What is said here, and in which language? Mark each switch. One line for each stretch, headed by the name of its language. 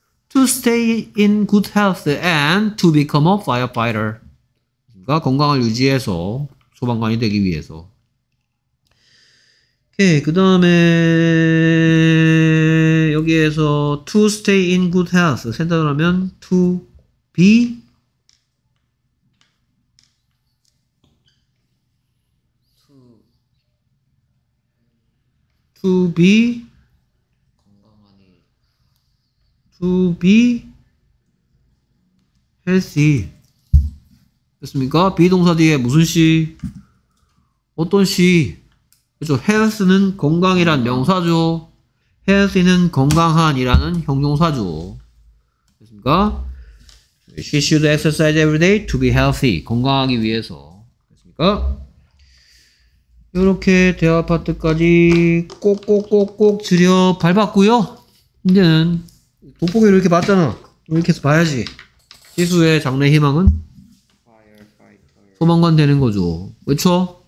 English: To stay in good health and to become a firefighter.
Korean: 그러니까 건강을 유지해서 소방관이 되기 위해서. 오케이, 그 다음에 여기에서
English: to stay in good health
Korean: 생각을 하면 to be to be
English: To be healthy.
Korean: 됐습니까? be 동사 뒤에 무슨 시? 어떤 시? 그렇죠. health는 건강이란 명사죠. healthy는 건강한이라는 형용사죠. 됐습니까?
English: She should exercise every day to be healthy.
Korean: 건강하기 위해서. 됐습니까? 이렇게 대화 파트까지 꼭꼭꼭꼭 들여 밟았고요. 이제는 돋보기를 이렇게 봤잖아. 이렇게 해서 봐야지. 지수의 장래 희망은? 소방관 되는 거죠. 그렇죠?